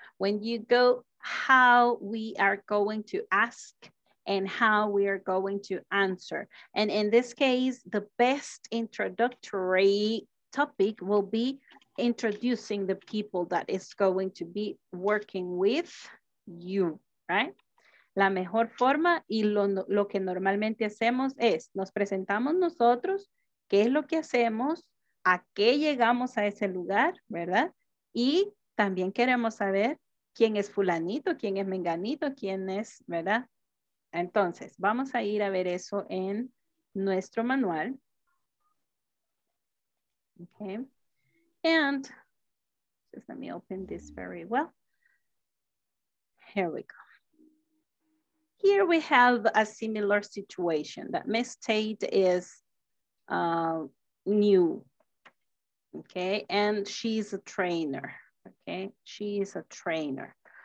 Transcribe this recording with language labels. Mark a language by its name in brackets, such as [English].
[English] When you go, how we are going to ask and how we are going to answer. And in this case, the best introductory topic will be introducing the people that is going to be working with you, right? [Spanish] La mejor forma y lo que normalmente hacemos es, nos presentamos nosotros, qué es lo que hacemos, a qué llegamos a ese lugar, ¿verdad? Y también queremos saber quién es fulanito, quién es menganito, quién es, ¿verdad? Entonces, vamos a ir a ver eso en nuestro manual. [English] Okay. And just let me open this very well. Here we go. Here we have a similar situation that Miss Tate is new, okay, and she's a trainer, okay, she is a trainer.